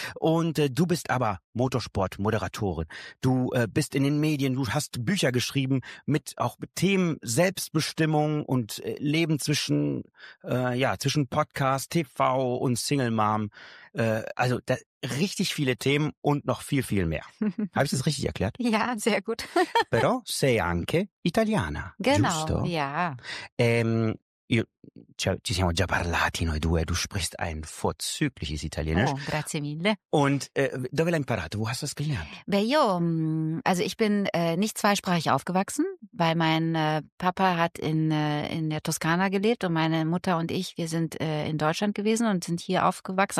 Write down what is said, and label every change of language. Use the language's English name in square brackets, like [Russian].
[German] Und du bist aber Motorsport-Moderatorin. Du bist in den Medien, du hast Bücher geschrieben mit auch mit Themen Selbstbestimmung und Leben zwischen Podcast, TV und Single Mom. Also da, richtig viele Themen und noch viel, viel mehr. Habe ich das richtig erklärt? Ja, sehr gut. [Italian] Però sei anche italiana. [German] Genau, [Italian] giusto? [German] Ja. [Italian] Ci siamo già parlati noi due. [German] Du sprichst ein vorzügliches Italienisch. [Italian] Oh, grazie mille. [German] Und [Italian] dove l'hai imparato? [German] Wo hast du das gelernt? [Italian] Beh, io, [German] also ich bin nicht zweisprachig aufgewachsen, weil mein Papa hat in der Toskana gelebt und meine Mutter und ich, wir sind in Deutschland gewesen und sind hier aufgewachsen.